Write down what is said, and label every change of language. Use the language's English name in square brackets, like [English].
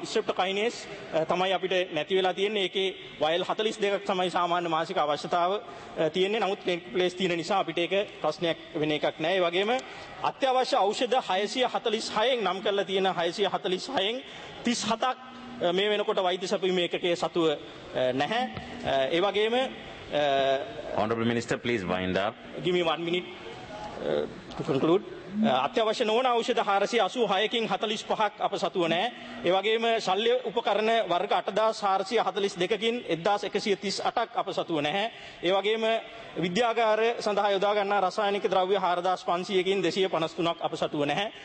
[Sinhala] ස්ට්‍රෙප්ටොකයිනේස් තමයි අපිට නැති වෙලා තියෙන්නේ. ඒකේ වයල් 42ක් තමයි සාමාන්‍ය මාසික අවශ්‍යතාව තියෙන්නේ. නමුත් ක්ලිනික් ප්ලේස් තියෙන නිසා අපිට ඒක ප්‍රශ්නයක් වෙන එකක් නැහැ. ඒ වගේම අත්‍යවශ්‍ය ඖෂධ 646න් නම් කරලා තියෙන 646න් 37ක් මේ වෙනකොට වෛද්‍ය සැපයුම් ඒකකයේ සතුව නැහැ. ඒ වගේම [English] Honorable Minister, please wind up. Give me 1 minute to conclude. [Sinhala] අත්‍යවශ්‍ය නොවන ඖෂධ 486කින් 45ක් අප සතුව නැහැ. ඒ වගේම ශල්‍ය උපකරණ වර්ග 8442කින් 1138ක් අප සතුව නැහැ. ඒ වගේම විද්‍යාගාර සඳහා යොදා ගන්නා රසායනික ද්‍රව්‍ය 4500කින් 253ක් අප සතුව නැහැ.